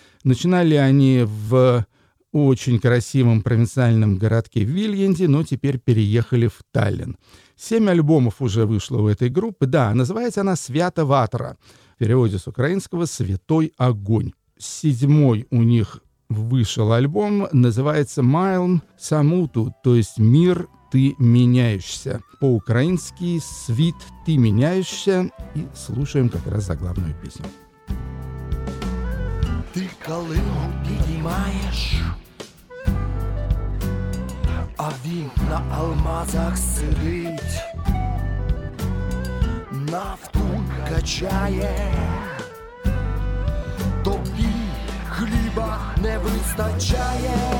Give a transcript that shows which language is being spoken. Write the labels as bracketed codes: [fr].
[ru] Начинали они в очень красивом провинциальном городке Вильянде, но теперь переехали в Таллин. 7 альбомов уже вышло у этой группы. Да, называется она «Свята Ватра», в переводе с украинского «Святой огонь». 7-й у них вышел альбом, называется «Майлм Самуту», то есть «Мир, ты меняешься». По-украински [uk] «Світ, ти міняєшся». [ru] И слушаем как раз заглавную песню. [uk] Ти калину піднімаєш, а він на алмазах сидить. нафту качає, тобі хліба не вистачає.